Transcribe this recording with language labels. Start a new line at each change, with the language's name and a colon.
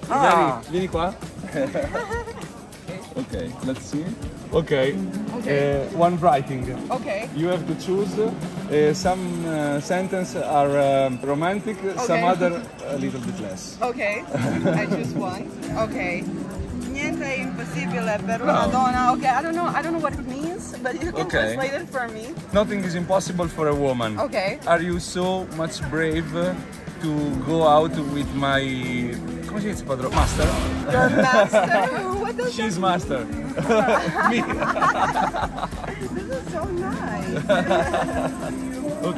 English: Ah. Mary,
Italian: vieni qua.
English: Okay. Okay, let's see. Okay. Okay. One writing. Okay. You have to choose. Some sentences are romantic, okay. Some other a little bit less. Okay. I choose one. Okay.
Italian: Niente è impossibile per una donna.
English: Okay, I don't know what it means, but you can translate it for me. Nothing is impossible for a woman. Okay. Are you so much brave to go out with my
Italian: come si dice padrone?
English: Master. Your master? She's that mean? Master. Me. This is so nice.